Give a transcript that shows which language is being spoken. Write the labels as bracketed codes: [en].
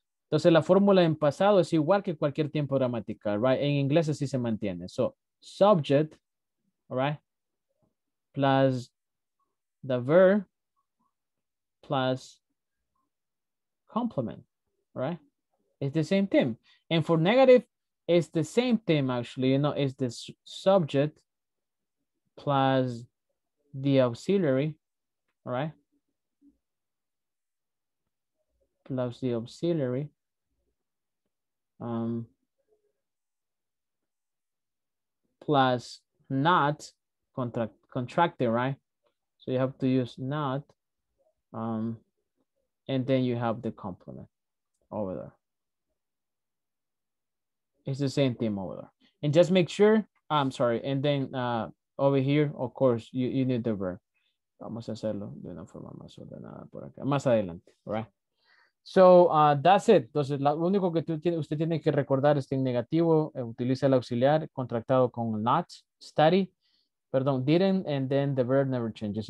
[es] Entonces, la fórmula en pasado es igual que cualquier tiempo gramatical, [en] right? [es] En inglés así se mantiene. [en] So, subject, all right, plus the verb plus complement, right? It's the same thing. And for negative, it's the same thing, actually. You know, it's the subject plus the auxiliary, all right? Plus the auxiliary. Plus not contracted, right? So you have to use not. And then you have the complement over there. It's the same thing over there. And just make sure, I'm sorry. And then over here, of course, you need the verb. [es] Vamos a hacerlo de una forma más ordenada por acá. Más adelante, [en] all right? So that's it. [es] Entonces, lo único que usted tiene que recordar es que en negativo, utiliza el auxiliar contractado con not, study, perdón, didn't, [en] and then the verb never changes.